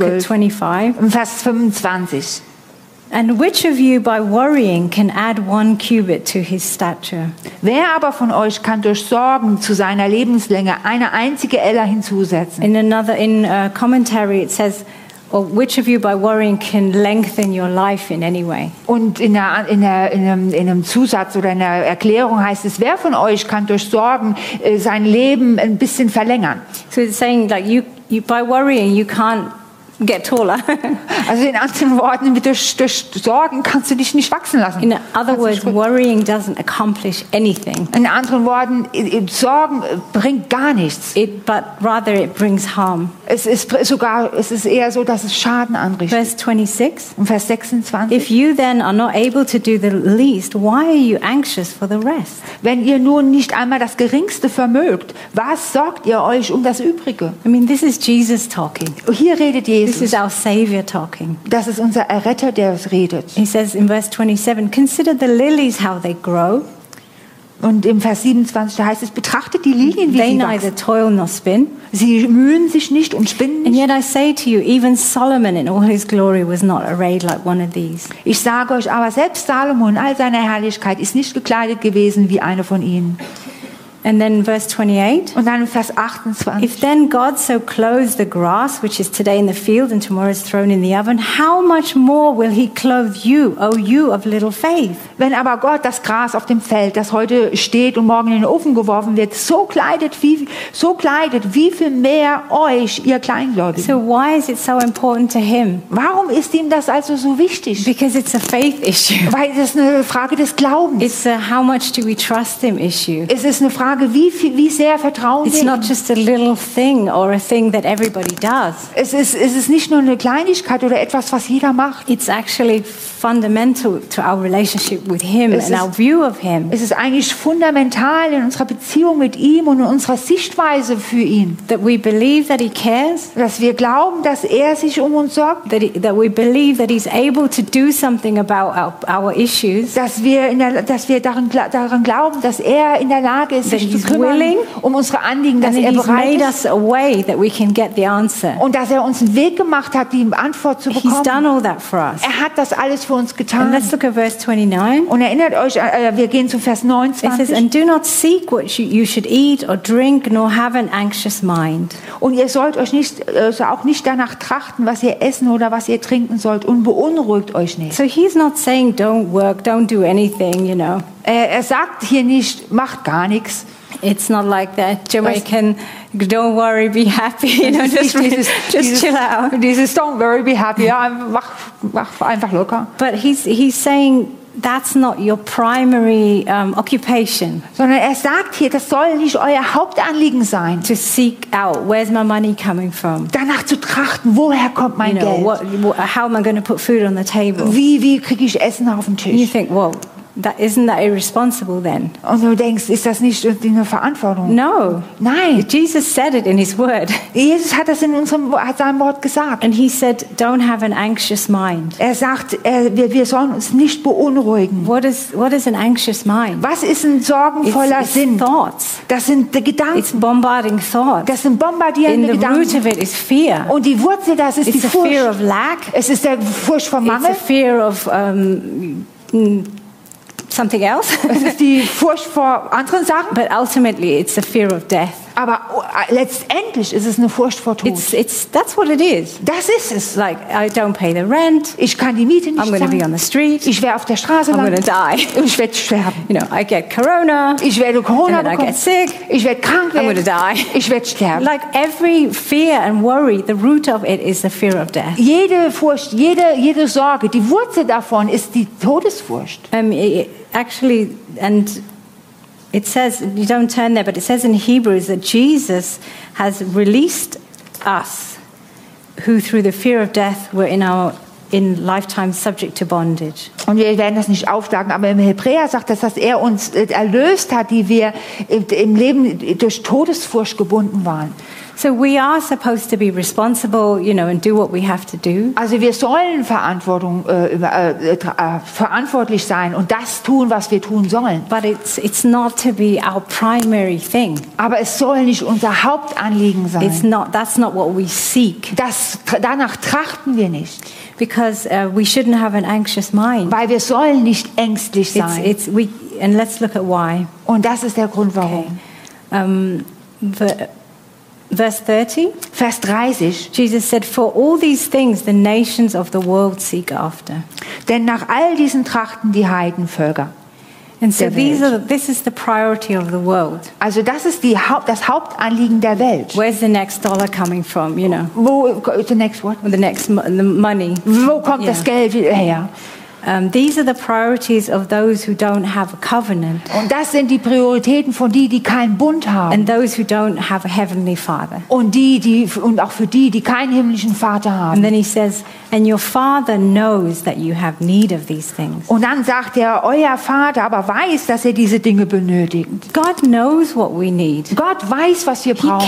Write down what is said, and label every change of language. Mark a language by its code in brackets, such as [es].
[en] Let's look at 25. [de] Vers 25. [en] And which of you by worrying can add one cubit to his stature? [de] Wer aber von euch kann durch Sorgen zu seiner Lebenslänge eine einzige Ella hinzusetzen? [en] In a commentary it says, or which of you by worrying can lengthen your life in any way? [de] Und in einem Zusatz oder in einer Erklärung heißt es, wer von euch kann durch Sorgen sein Leben ein bisschen verlängern? [en] So it's saying like you by worrying you can't get taller. [de] Also in anderen Worten, durch Sorgen kannst du dich nicht wachsen lassen. [en] In other words, worrying doesn't accomplish anything. [de] In anderen Worten, Sorgen bringt gar nichts. [en] But rather it brings harm. [de] Es ist eher so, dass es Schaden anrichtet. [en] Verse 26. [de] Und Vers 26. [en] If you then are not able to do the least, why are you anxious for the rest? [de] Wenn ihr nun nicht einmal das Geringste vermögt, was sorgt ihr euch um das Übrige? [en] I mean, this is Jesus talking. [de] Hier redet Jesus. [en] This is our Savior talking. [de] Das ist unser Erretter, der es redet. [en] He says in verse 27, consider the lilies how they grow. [de] Und im Vers 27 heißt es, betrachtet die Lilien, wie [en] they [de] sie [en] neither [de] wachsen. [en] Toil nor spin. [de] Sie mühen sich nicht und spinnen nicht. [en] And yet I say to you, even Solomon in all his glory was not arrayed like one of these. [de] Ich sage euch aber, selbst Salomo in all seiner Herrlichkeit ist nicht gekleidet gewesen wie eine von ihnen. [en] And then verse 28. [de] Und dann Vers 28. [en] If then God so clothes the grass, which is today in the field and tomorrow is thrown in the oven, how much more will he clothe you, O you of little faith? [de] Wenn aber Gott das Gras auf dem Feld, das heute steht und morgen in den Ofen geworfen wird, so kleidet, wie viel mehr euch, ihr Kleingläubigen? [en] So why is it so important to him? [de] Warum ist ihm das also so wichtig? [en] Because it's a faith issue. [de] Weil es eine Frage des Glaubens. [en] It's a how much do we trust him issue. [de] Es ist eine Frage, wie sehr vertrauen wir ihm? [en] It's not just a little thing or a thing that everybody does. [de] Es ist nicht nur eine Kleinigkeit oder etwas, was jeder macht. [en] It's actually fundamental to our relationship with him and our view of him. [de] Es ist eigentlich fundamental in unserer Beziehung mit ihm und in unserer Sichtweise für ihn. [en] That we believe that he cares. [de] Dass wir glauben, dass er sich um uns sorgt. [en] That we believe that he's able to do something about our issues. [de] Dass wir daran glauben, dass er in der Lage ist, sich zu kümmern um unsere Anliegen, dass er bereit ist. [en] A way that we can get the answer. [de] Und dass er uns einen Weg gemacht hat, die Antwort zu bekommen. [en] He's done all that for us. [de] Er hat das alles für uns getan. [en] And let's look at verse 29. [de] Und erinnert euch, wir gehen zu Vers 29. [en] It says, and do not seek what you should eat or drink, nor have an anxious mind. [de] Und ihr sollt euch nicht, also auch nicht danach trachten, was ihr essen oder was ihr trinken sollt, und beunruhigt euch nicht. [en] So he's not saying, don't work, don't do anything, you know. [de] Er sagt hier nicht, macht gar nichts. [en] It's not like that. Jamaican, don't worry, be happy. You know, just chill out. [de] Dieses, [en] don't worry, be happy. [de] Mach einfach locker. [en] But he's saying that's not your primary occupation. [de] Sondern er sagt hier, das soll nicht euer Hauptanliegen sein. [en] To seek out, where's my money coming from? [de] Danach zu trachten, woher kommt mein Geld? [en] How am I going to put food on the table? [de] Wie krieg ich Essen auf den Tisch? [en] You think, well, that isn't that irresponsible then? [de] Und du denkst, ist das nicht eine Verantwortung? [en] No. [de] Nein. [en] Jesus said it in his word. [de] Jesus hat das hat seinem Wort gesagt. [en] And he said, don't have an anxious mind. [de] Er sagt, wir sollen uns nicht beunruhigen. [en] What is an anxious mind? [de] Was ist ein sorgenvoller Sinn? [en] It's thoughts. [de] Das sind die Gedanken. [en] It's bombarding thoughts. [de] Das sind bombardierende Gedanken. [en] In the root of it is fear. [de] Und die Wurzel, das ist [en] it's [de] die Furcht. [en] It's a fear of lack. [de] Es ist der Furcht vor Mangel. [en] It's a fear of something else. [de] Es ist die Furcht vor anderen Sachen. [en] But ultimately, it's the fear of death. [de] Aber letztendlich ist es eine Furcht vor Tod. [en] It's that's what it is. [de] Das ist es. [en] Like I don't pay the rent. [de] Ich kann die Miete nicht zahlen. [en] I'm going to be on the street. [de] Ich werde auf der Straße [en] I'm [de] landen. [en] I'm going to die. [de] Ich werde sterben. [en] You know, I get Corona. [de] Ich werde Corona [en] and then [de] bekommen. [en] I get sick. [de] Ich werde krank werden. [en] I'm going to die. [de] Ich werde sterben. [en] Like every fear and worry, the root of it is the fear of death. [de] Jede Furcht, jede Sorge, die Wurzel davon ist die Todesfurcht. [en] It says, you don't turn there, but it says in Hebrews that Jesus has released us who through the fear of death were in lifetime subject to bondage. [de] Und wir werden das nicht aufsagen, aber im Hebräer sagt das, dass er uns erlöst hat, die wir im Leben durch Todesfurcht gebunden waren. [en] So we are supposed to be responsible, you know, and do what we have to do. [de] Also wir sollen verantwortlich sein und das tun, was wir tun sollen. [en] But it's not to be our primary thing. [de] Aber es soll nicht unser Hauptanliegen sein. [en] It's not, that's not what we seek. [de] Danach trachten wir nicht. [en] Because we shouldn't have an anxious mind. [de] Weil wir sollen nicht ängstlich sein. [en] And let's look at why. [de] Und das ist der Grund, warum. [en] Okay. [de] Vers 30. [en] Jesus said, "For all these things the nations of the world seek after." [de] Denn nach all diesen trachten die Heidenvölker. [en] And so this is the priority of the world. [de] Also das ist das Hauptanliegen der Welt. [en] Where's the next dollar coming from? You know. [de] Wo [en] the next what? The next the money. [de] Wo kommt das Geld her? [en] These are the priorities of those who don't have a covenant. [de] Und das sind die Prioritäten von die, die keinen Bund haben. [en] And those who don't have a heavenly father. [de] Und auch für die, die keinen himmlischen Vater haben. [en] And then he says, and your father knows that you have need of these things. [de] Und dann sagt er, euer Vater aber weiß, dass er diese Dinge benötigt. [en] God knows what we need. [de] Gott weiß, was wir brauchen.